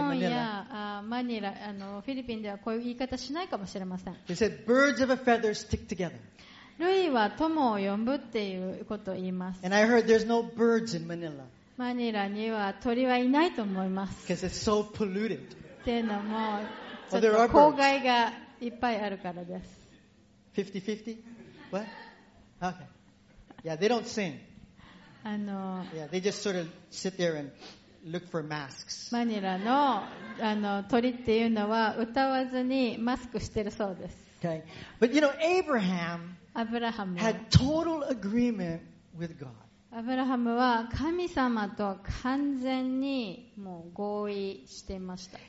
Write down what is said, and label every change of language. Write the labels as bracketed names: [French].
[Japanese] 日本やマニラフィリピンではこういう言い方しないかもしれません。 [English] They said birds of a feather stick together. [Japanese] 類は友を呼ぶっていうことを言います。 [English] And I heard there's no birds in Manila. [Japanese] マニラには鳥はいないと思います。 [English] Because it's so polluted. [Japanese] っていうのも、ちょっと公害がいっぱいあるからです。 [English] 50-50? What? Okay. Yeah, they don't sing. Yeah, they just sort of sit there and look for masks. [Japanese] マニラの、鳥っていうのは歌わずにマスクしてるそうです。 [English] Okay. But you know, Abraham, [Japanese] アブラハム [English] had total agreement with God. [Japanese] アブラハムは神様と完全にもう合意していました。